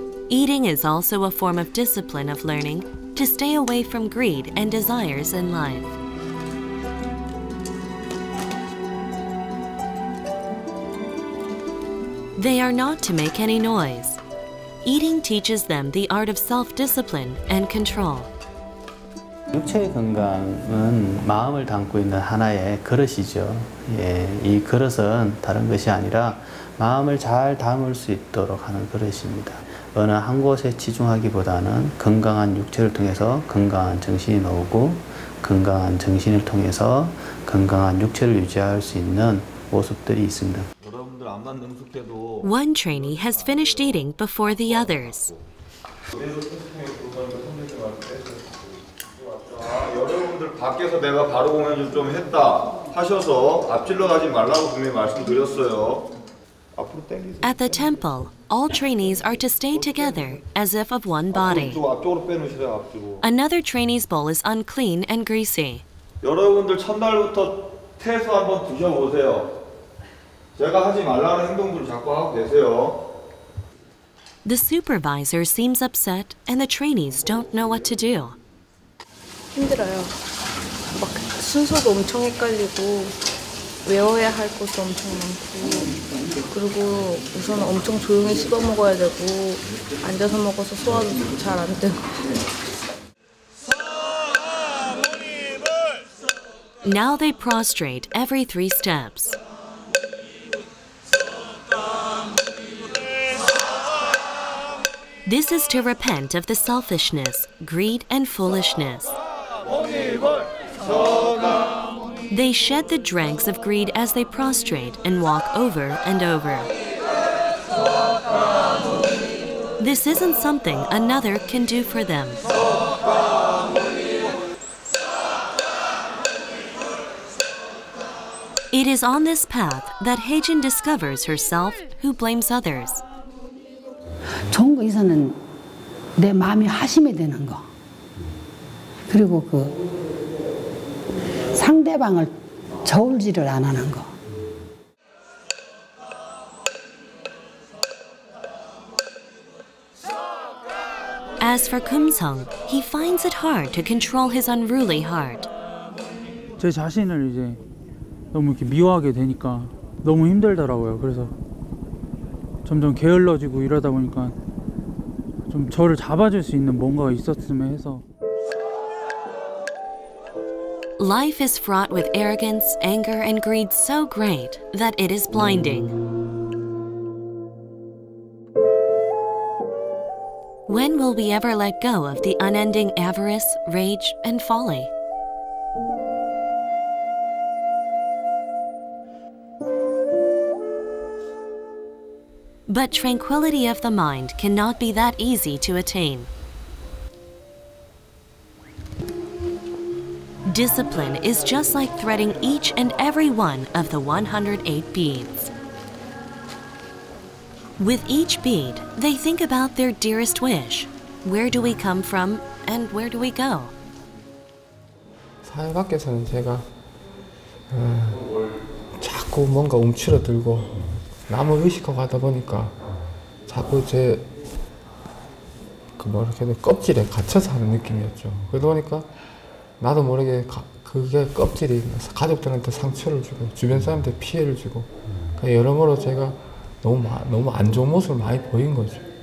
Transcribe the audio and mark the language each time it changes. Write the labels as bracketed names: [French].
[English] Eating is also a form of discipline of learning to stay away from greed and desires in life. They are not to make any noise. Eating teaches them the art of self-discipline and control. [Korean] 육체의 건강은 마음을 담고 있는 하나의 그릇이죠. 예, 이 그릇은 다른 것이 아니라 마음을 잘 담을 수 있도록 하는 그릇입니다. 어느 한 곳에 치중하기보다는 건강한 육체를 통해서 건강한 정신이 나오고 건강한 정신을 통해서 건강한 육체를 유지할 수 있는 모습들이 있습니다. [English] One trainee has finished eating before the others. At the temple, all trainees are to stay together as if of one body. Another trainee's bowl is unclean and greasy. [Korean] 여러분들 첫날부터 태소 한번 드셔보세요. 제가 하지 말라는 행동들을 자꾸 하고 계세요. [English] The supervisor seems upset and the trainees don't know what to do. [Korean] 힘들어요. 막 순서도 엄청 헷갈리고 외워야 할 것도 엄청 많고 그리고 우선 엄청 조용히 씹어 먹어야 되고 앉아서 먹어서 소화도 잘 안 되고. [English] Now they prostrate every three steps. This is to repent of the selfishness, greed, and foolishness. They shed the dregs of greed as they prostrate and walk over and over. This isn't something another can do for them. It is on this path that Haejin discovers herself who blames others. [Korean] 좋은 거 있어서는 내 마음이 하심이 되는 거 그리고 그 상대방을 저울질을 안 하는 거 [English] As for Kim Sung, he finds it hard to control his unruly heart. [Korean] 제 자신을 이제 너무 이렇게 미워하게 되니까 너무 힘들더라고요. 그래서 점점 게을러지고 이러다 보니까 좀 저를 잡아줄 수 있는 뭔가가 있었으면 해서. [English] Life is fraught with arrogance, anger, and greed so great that it is blinding. When will we ever let go of the unending avarice, rage, and folly? But tranquility of the mind cannot be that easy to attain. Discipline is just like threading each and every one of the 108 beads. With each bead, they think about their dearest wish. Where do we come from and where do we go? [Korean] 사회 밖에서는 제가 자꾸 뭔가 움츠러들고 남을 의식하고 하다 보니까 자꾸 제 그 뭐라 이렇게 껍질에 갇혀서 하는 느낌이었죠. 그러다 보니까 나도 모르게 그게 껍질이 가족들한테 상처를 주고 주변 사람들 피해를 주고 그러니까 여러모로 제가 너무 안 좋은 모습을 많이 보인 거죠.